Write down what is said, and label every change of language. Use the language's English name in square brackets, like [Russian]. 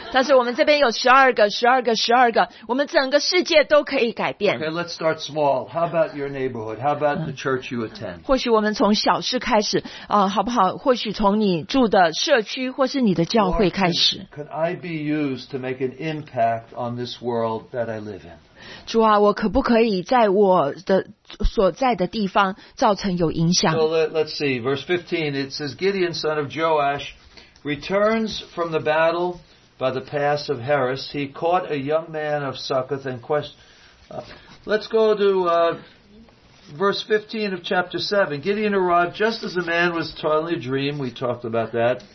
[Chinese] 但是我们这边有12个, 我们整个世界都可以改变。 [English] Okay, let's start small. How about your neighborhood? How about the church you attend? [Chinese] 或许我们从小事开始, 好不好?或许从你住的社区, 或是你的教会开始。 [English] Lord, could I be used to make an impact on this world that I live in? [Chinese] 主啊, 我可不可以在我的所在的地方造成有影响? [English] So let's see, verse 15, it says, Gideon, son of Joash, returns from the battle by the pass of Heres. He caught a young man of Succoth and questioned. Let's go to verse 15 of chapter 7. Gideon arrived just as a man was totally a dream. We talked about that.